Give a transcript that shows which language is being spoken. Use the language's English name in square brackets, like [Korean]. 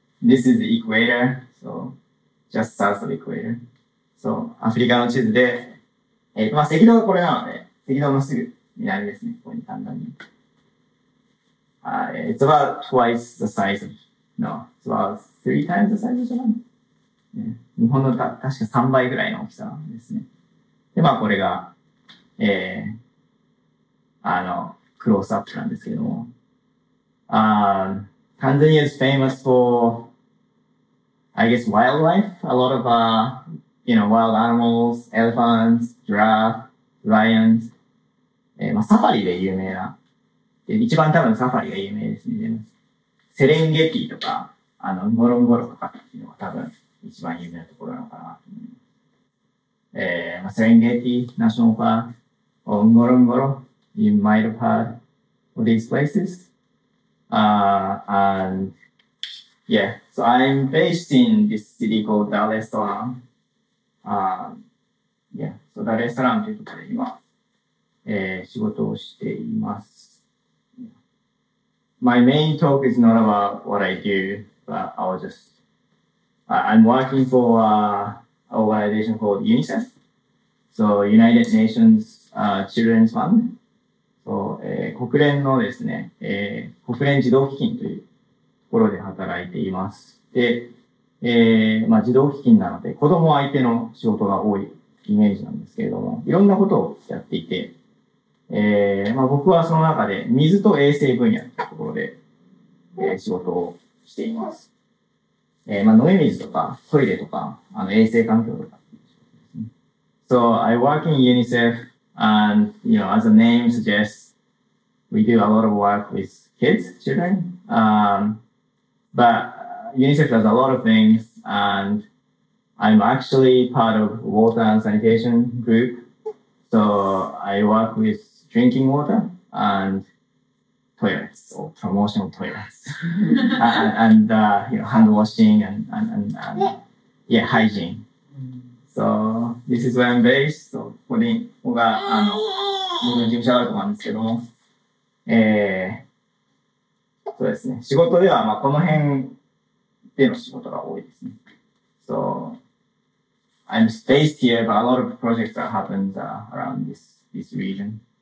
[English] This is the equator, so just south of the equator. [Japanese] So, Africa の地図で、赤道がこれなので、赤道のすぐ南ですね、ここに簡単に。 [English] It's about twice the size of, no, it's about three times the size of Japan. [Japanese] 日本の確か3倍ぐらいの大きさですね。で、これが、クロースアップなんですけども。 [English] Tanzania is famous for, I guess, wildlife. A lot of, you know, wild animals, elephants, giraffe, lions. [Japanese] Safari で有名な。で、一番多分サファリが有名ですね。セレンゲティとか、あの、ゴロンゴロとかっていうのが多分一番有名なところなのかなと思います。 [English] セレンゲティ、ナショナルパーク、ゴロンゴロ、you might have heard of these places. So I'm based in this city called Dar es Salaam. [Japanese] So Dar es Salaam というところで今、仕事をしています。 [English] My main talk is not about what I do, but I'm working for an organization called UNICEF. So, United Nations, Children's Fund. [Japanese] So, 国連のですね、国連児童基金というところで働いています。で、児童基金なので、子供相手の仕事が多いイメージなんですけれども、いろんなことをやっていて、僕はその中で水と衛生分野というところで、仕事をしています。飲み水とかトイレとか、あの衛生環境とか。 [English] So I work in UNICEF and, you know, as the name suggests, we do a lot of work with kids, children. But UNICEF does a lot of things and I'm actually part of water and sanitation group. So I work withdrinking water and toilets or promotional toilets and hand washing and hygiene. So this is where I'm based. [Japanese] So ここが僕の事務所だと思うんですけども、そうですね。仕事ではこの辺での仕事が多いですね。 [English] So I'm based here, but a lot of projects that happen around this region.